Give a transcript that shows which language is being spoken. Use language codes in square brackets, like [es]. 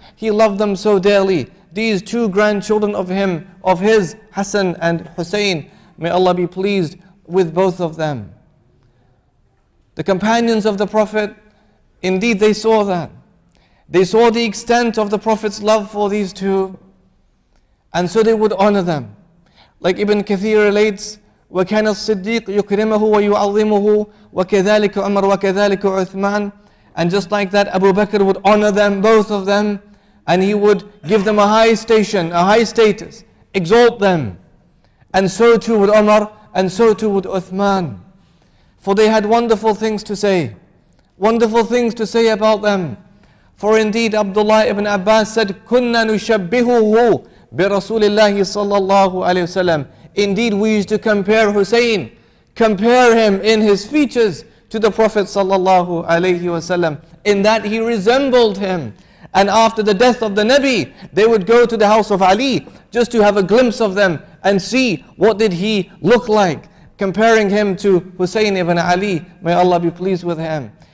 [en] He loved them so dearly. These two grandchildren of him, of his, Hassan and Husayn, may Allah be pleased with both of them. The companions of the Prophet, indeed they saw that. They saw the extent of the Prophet's love for these two. And so they would honor them. [ar] Like Ibn Kathir relates, وَكَانَ الصِّدِّيقُ يُكْرِمَهُ وَيُعَظِّمُهُ وَكَذَلِكَ عُمَرُ وَكَذَلِكَ عُثْمَانُ. [en] And just like that, Abu Bakr would honor them, both of them. And he would give them a high station, a high status, exalt them. And so too would Umar, and so too would Uthman. For they had wonderful things to say. Wonderful things to say about them. [ar] For indeed, Abdullah ibn Abbas said, كُنَّا نُشَبِّهُهُ بِرَسُولِ اللَّهِ صَلَّى اللَّهُ عَلَيْهِ وَسَلَّمُ. [en] Indeed, we used to compare Husayn, compare him in his features to the Prophet sallallahu alayhi wasallam, in that he resembled him. And after the death of the Nabi, they would go to the house of Ali just to have a glimpse of them and see what did he look like, comparing him to Husayn ibn Ali, may Allah be pleased with him.